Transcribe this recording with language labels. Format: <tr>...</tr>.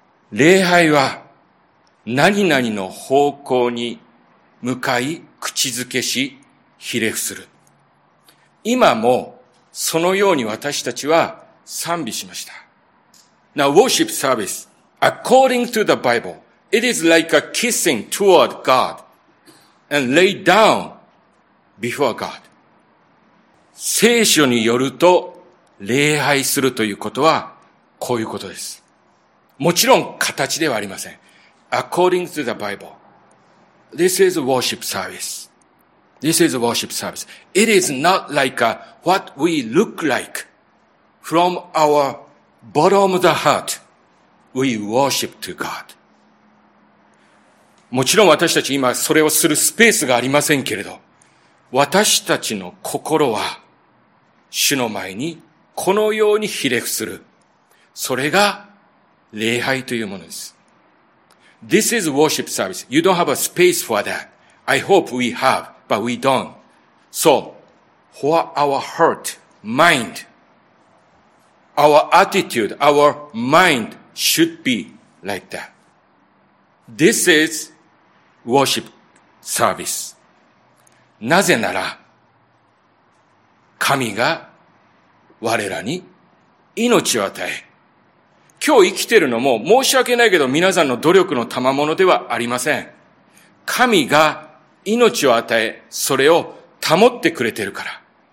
<ja>礼拝は何々の方向に向かい口づけしひれ伏する。今もそのように私たちは賛美しました。</ja> <en>Now worship service according to the Bible it is like a kissing toward God and lay down before God。</en> <ja>聖書によると礼拝するということはこういうことです。もちろん形ではありません。</ja> <en>According to the Bible this is a worship serviceThis is a worship service. It is not like what we look like from our bottom of the heart. We worship to God.</en> <ja>もちろん私たち今それをするスペースがありませんけれど、私たちの心は主の前にこのようにひれ伏する。それが礼拝というものです。</ja> <en>This is worship service. You don't have a space for that. I hope we have. But we don't. So, for our heart, mind, our attitude, our mind should be like that. This is worship service.</en> <ja>なぜなら、神が我らに命を与え、今日生きているのも申し訳ないけど皆さんの努力の賜物ではありません。神が命を与え、それを保ってくれてるから。</ja>